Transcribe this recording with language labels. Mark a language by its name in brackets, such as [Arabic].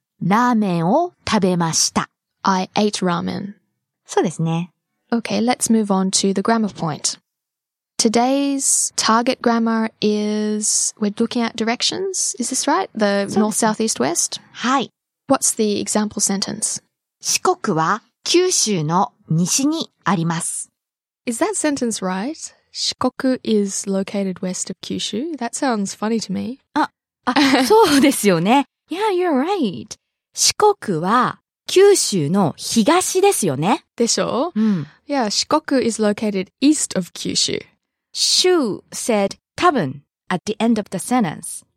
[Japanese] ラーメンを食べました. [English] I ate ramen. [Japanese] そうですね. [English] Okay, let's move on to the grammar point. Today's target grammar is, we're looking at directions. Is this right? The north, south, east, west? [Japanese] はい. [English] What's the example sentence? [Japanese] 四国は九州の西にあります. [English] Is that sentence right? Shikoku is located west of Kyushu? That sounds funny to me. [Japanese] そうですよね。 [English] Yeah, you're right. [Japanese] 四国は九州の東ですよね? でしょう? [English] Yeah, 四国 is located east of Kyushu. Shu said 多分 at the end of the sentence.